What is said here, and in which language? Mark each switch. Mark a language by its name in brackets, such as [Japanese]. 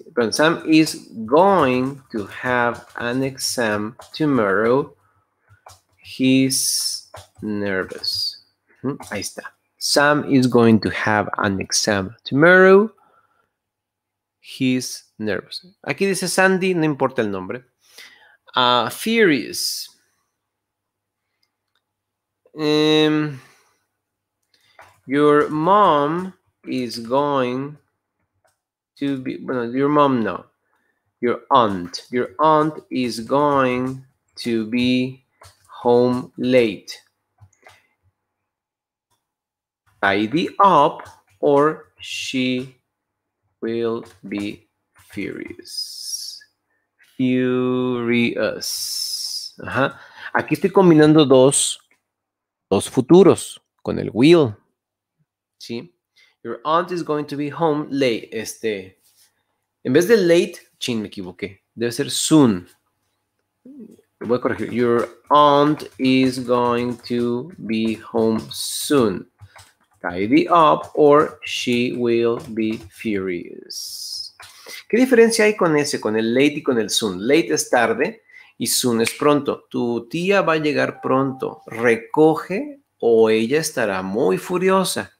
[English] Sam is going to have an exam tomorrow. He's nervous. [Spanish] Ahí está. [English] Sam is going to have an exam tomorrow. He's nervous. [Spanish] Aquí dice Sandy, no importa el nombre. [English] Furious. Your mom is going to be... Bueno, your mom, no. Your aunt. Your aunt is going to be home late. Tidy up or she will be furious. Furious. Ajá. [Spanish] Aquí estoy combinando dos futuros con el will. Sí. [English] Your aunt is going to be home late. [Spanish] En vez de late, chin, me equivoqué. Debe ser soon. Voy a corregir. [English] Your aunt is going to be home soon. Tidy up or she will be furious. [Spanish] ¿Qué diferencia hay con ese, con el late y con el soon? Late es tarde y soon es pronto. Tu tía va a llegar pronto. Recoge o ella estará muy furiosa.